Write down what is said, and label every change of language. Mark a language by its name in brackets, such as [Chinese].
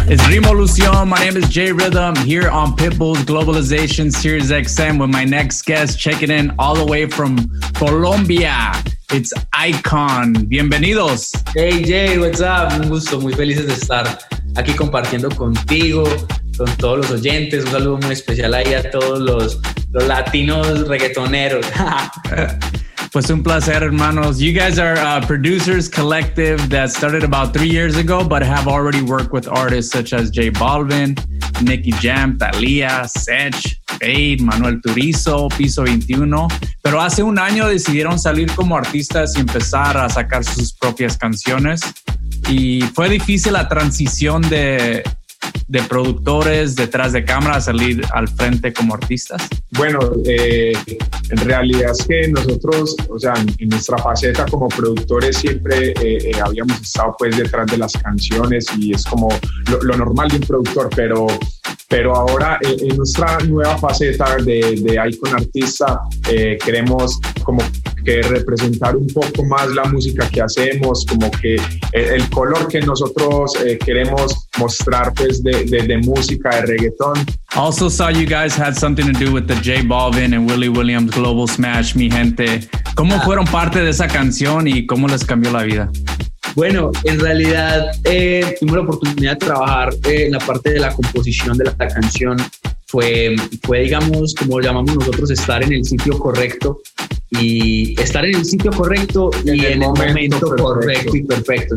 [English] Here on Pitbull's Globalization Series XM with my next guest checking in all the way from Colombia. It's Icon. [Spanish] Bienvenidos. [English] Hey Jay, what's up? [Spanish] Un gusto, muy felices de estar aquí compartiendo contigo, con todos los oyentes. Un saludo muy especial ahí a todos los los latinos reggaetoneros. Pues un placer, hermanos. [English] You guys are a producers collective that started about 3 years ago, but have already worked with artists such as J Balvin, Nicky Jam, Thalía, Sech, Fade, Manuel Turizo, Piso 21. [Spanish] Pero hace un año decidieron salir como artistas y empezar a sacar sus propias canciones. Y fue difícil la transición de productores detrás de cámara a salir al frente como artistas. Bueno, en realidad es que nosotros, o sea, en nuestra faceta como productores siempre habíamos estado pues detrás de las canciones y es como lo normal de un productor, pero ahora en nuestra nueva faceta de Icon Artista queremos como que representar un poco más la música que hacemos, como que el color que nosotros queremos mostrar pues de música, de reggaetón. [English] Also saw you guys had something to do with the J Balvin and Willie Williams Global Smash, Mi Gente. [Spanish] ¿Cómo fueron parte de esa canción y cómo les cambió la vida? Bueno, en realidad tuvimos la oportunidad de trabajar en la parte de la composición de la canción. Fue digamos, como llamamos nosotros, estar en el sitio correcto. Y estar en el sitio correcto y en el momento correcto y perfecto.